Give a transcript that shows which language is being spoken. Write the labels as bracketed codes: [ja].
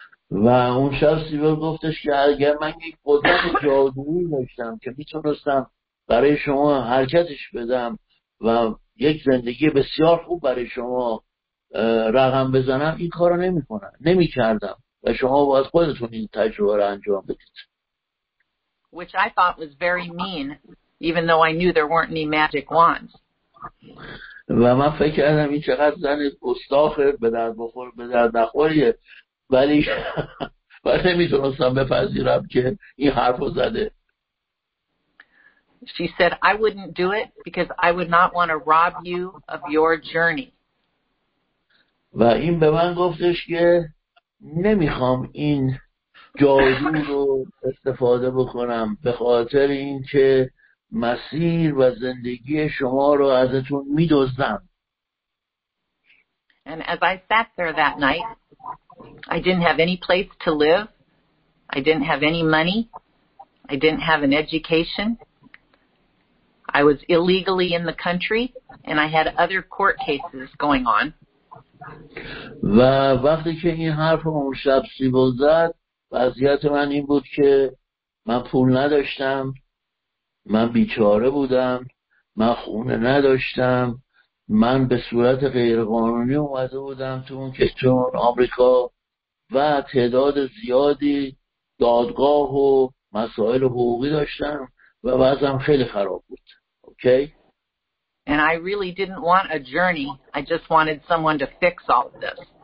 [fa] و اون شب سیبل گفتش که اگر من یک قدرت جادویی داشتم که میتونستم برای شما حرکتش بدم و یک زندگی بسیار خوب برای شما رقم بزنم، این کارو نمی‌کنم، نمی‌کردم و شما باید خودتون این تجربه رو انجام بدید. [en] Which I thought was very mean, even though I knew there weren't any magic wands. [fa] و من فکر کردم این چقدر زن گستاخه، به درد بخور به درد نخوریه، ولی نمیتونستم بپذیرم که این حرفو زده. [en] She said, I wouldn't do it because I would not want to rob you of your journey. [fa] و این به من گفتش که نمیخوام این جادو رو استفاده بکنم به خاطر اینکه مسیر و زندگی شما رو ازتون میدزدم. [en] And as I sat there that night, I didn't have any place to live. I didn't have any money. I didn't have an education. I was illegally in the country, and I had other court cases going on. [fa] و وقتی که این حرف اون شب سیبو زد، وضعیت من این بود که من پول نداشتم، من بیچاره بودم، من خونه نداشتم، من به صورت غیرقانونی اومده بودم تو اون کشور آمریکا و تعداد زیادی دادگاه و مسائل حقوقی داشتم و وضعم خیلی خراب بود. اوکی؟ [en] And I really didn't want a journey. I just wanted someone to fix all of this.